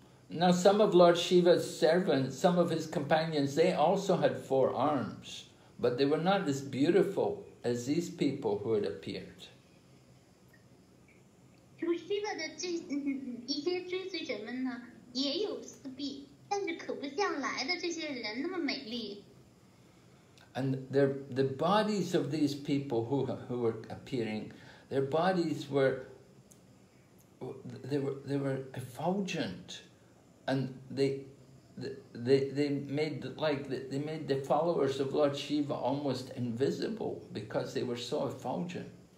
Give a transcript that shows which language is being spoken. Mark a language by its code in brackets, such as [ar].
[en] Now some of Lord Shiva's servants, some of his companions, they also had four arms, but they were not as beautiful as these people who had appeared. [zh] 主Shiva的一些追随者们呢，也有四臂，但是可不像来的这些人那么美丽。 [en] And the bodies of these people who were appearing, their bodies were they were effulgent, and they made the followers of Lord Shiva almost invisible because they were so effulgent.